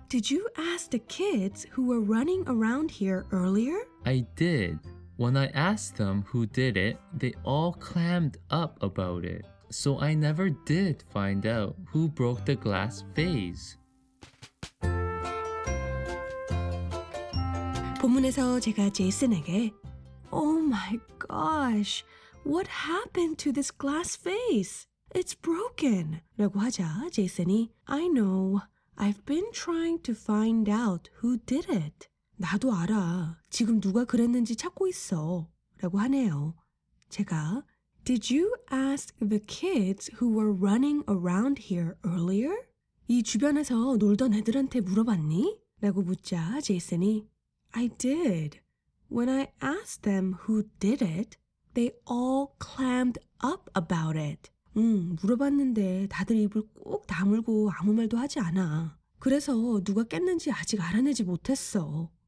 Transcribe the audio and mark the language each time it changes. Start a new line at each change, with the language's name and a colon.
English: Did you ask the kids who were running around here earlier? I did. When I asked them who did it, they all clammed up about it. So I never did find out who broke the glass vase.
Korean: 본문에서 제가 제이슨에게
English: Oh my gosh, what happened to this glass vase? It's broken.
Korean: 라고 하자 제이슨이
English: I know. I've been trying to find out who did it.
Korean: 나도 알아. 지금 누가 그랬는지 찾고 있어. 라고 하네요. 제가
English: Did you ask the kids who were running around here earlier?
Korean: 이 주변에서 놀던 애들한테 물어봤니? 라고 묻자 제이슨이
English: I did. When I asked them who did it, they all clammed up about it.
Korean: 물어봤는데 다들 입을 꼭 다물고 아무 말도 하지 않아. 그래서 누가 깼는지 아직 알아내지 못했어.